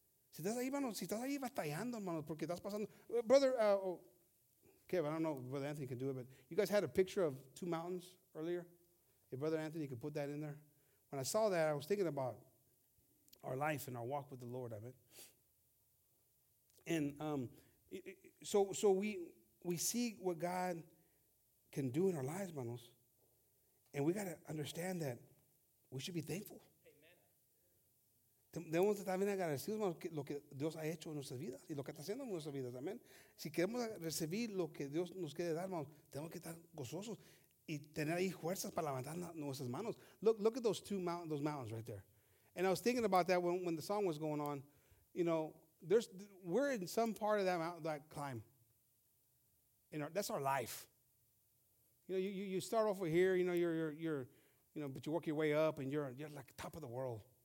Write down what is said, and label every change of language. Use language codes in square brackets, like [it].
[es] Si estás ahí, hermano, si estás ahí batallando, hermano, porque estás pasando. [en] Brother, Kev, I don't know if Brother Anthony can do it, but you guys had a picture of two mountains earlier. If Brother Anthony could put that in there. When I saw that, I was thinking about our life and our walk with the Lord, I mean. And so we see what God can do in our lives, hermanos, and we got to understand that we should be thankful. [es] Debemos también agradecer lo que Dios ha hecho en nuestras vidas y lo que está haciendo en nuestras vidas. Amén. Si queremos recibir lo que Dios nos quiere dar, hermanos, tenemos que estar gozosos y tener ahí fuerzas para levantar nuestras manos. [en] Look at those two mountains, those mountains right there. And I was thinking about that when the song was going on. You know, we're in some part of that climb. That's our life. You know, you start off over here. You know, you're but you work your way up, and you're like top of the world.